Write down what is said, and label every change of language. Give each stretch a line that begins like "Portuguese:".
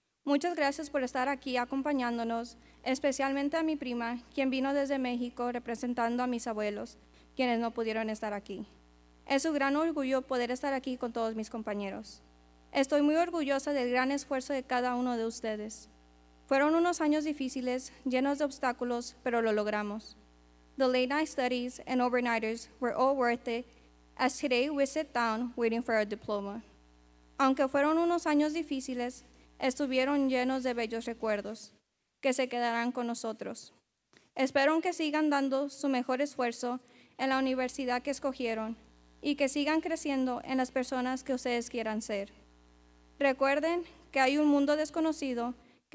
Spanish: Muchas gracias por estar aquí acompañándonos, especialmente a mi prima, quien vino desde México representando a mis abuelos, quienes no pudieron estar aquí. Es un gran orgullo poder estar aquí con todos mis compañeros. Estoy muy orgullosa del gran esfuerzo de cada uno de ustedes. Fueron unos años difíciles, llenos de obstáculos, pero lo logramos.
English: The late night studies and overnighters were all worth it, as today we sit down waiting for our diploma.
Spanish: Aunque fueron unos años difíciles, estuvieron llenos de bellos recuerdos, que se quedarán con nosotros. Espero que sigan dando su mejor esfuerzo en la universidad que escogieron y que sigan creciendo en las personas que ustedes quieran ser. Recuerden que hay un mundo desconocido que